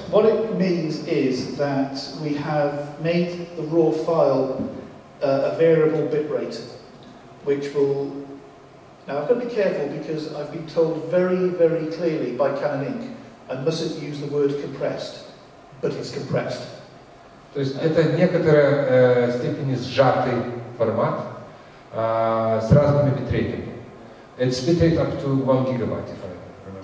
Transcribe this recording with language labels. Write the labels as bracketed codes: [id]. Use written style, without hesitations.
[en] What it means is that we have made the RAW file a variable bitrate, which will. Now, I've got to be careful because I've been told very, very clearly by Canon Inc. I mustn't use the word compressed, but it's compressed. [ru] То есть это некоторая степень сжатый формат. С разными битрейтами. [en] It's bitrate up to 1 gigabyte, if I remember.